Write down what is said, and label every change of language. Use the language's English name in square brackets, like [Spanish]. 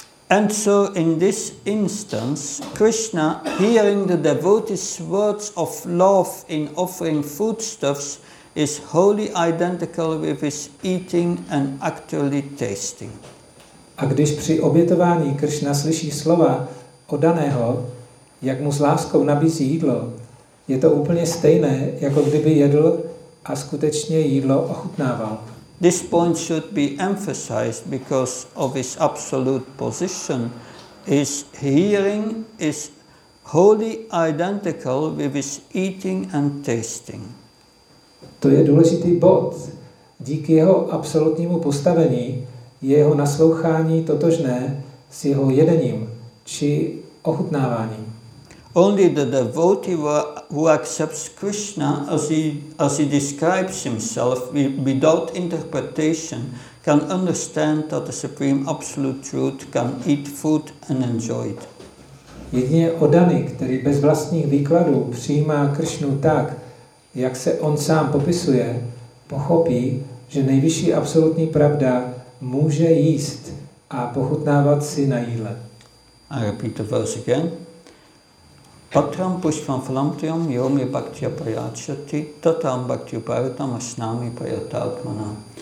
[English] And so in this instance, Krishna, hearing the devotee's words of love in offering foodstuffs, is wholly identical with his eating and actually tasting. [Czech] A když při obětování Krishna slyší slova od daného, jak mu s láskou nabízí jídlo, je to úplně stejné, jako kdyby jedl a skutečně jídlo ochutnával. [English] This point should be emphasized because of his absolute position. His hearing is wholly identical with his eating and tasting. [Czech] To je důležitý bod. Díky jeho absolutnímu postavení je jeho naslouchání totožné s jeho jedením či ochutnáváním. [English] Only the devotee who accepts Krishna as he describes himself without interpretation can understand that the Supreme Absolute Truth can eat food and enjoy it. [Czech] Jedině oddaný, který bez vlastních výkladů přijímá Krishnu tak, jak se on sám popisuje, pochopí, že nejvyšší absolutní pravda může jíst a pochutnávat si na jídle. [English] I repeat the verse again. [Sanskrit] Patram pushpam phalamtyam yom ye bhaktya prayachati tatam bhakti upayatam asnami prayatatmana.